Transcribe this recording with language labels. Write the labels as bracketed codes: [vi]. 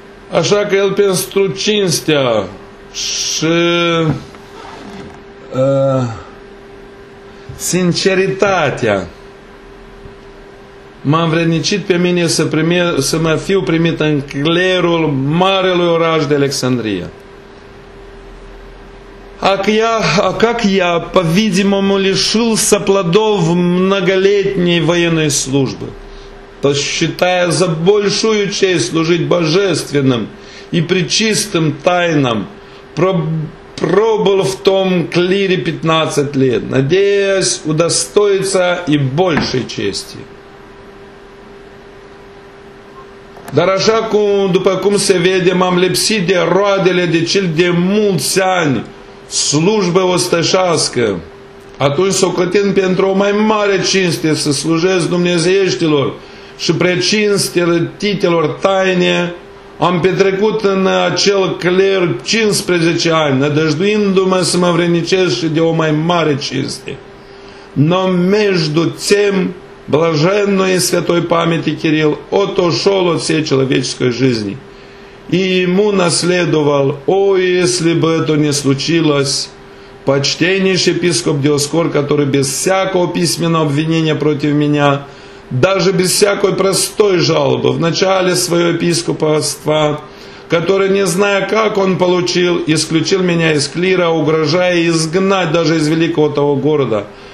[ro] Așa că el pentru cinstea și sinceritatea m-am vrednicit pe mine să, să mă fiu primit în clerul marelui oraș de Alexandria. [ru] А как я, по-видимому, лишился плодов многолетней военной службы, посчитая за большую честь служить божественным и пречистым тайнам, пробыл в том клире 15 лет, надеясь удостоиться и большей чести. [ro] Dar așa cum, după cum se vede, m-am lipsit de roadele de cel de mulți ani slujbă ostășească, atunci socotind pentru o mai mare cinste să slujesc dumnezeieștilor și precinstitelor taine, am petrecut în acel cler 15 ani, nădăjduindu-mă să mă vrednicesc și de o mai mare cinste. [ru] Но между тем, блаженной и святой памяти Кирилл отошел от всей человеческой жизни. И ему наследовал, о, если бы это не случилось, почтеннейший епископ Диоскор, который без всякого письменного обвинения против меня, даже без всякой простой жалобы, в начале своего епископства, который, не зная, как он получил, исключил меня из клира, угрожая изгнать даже из великого того города,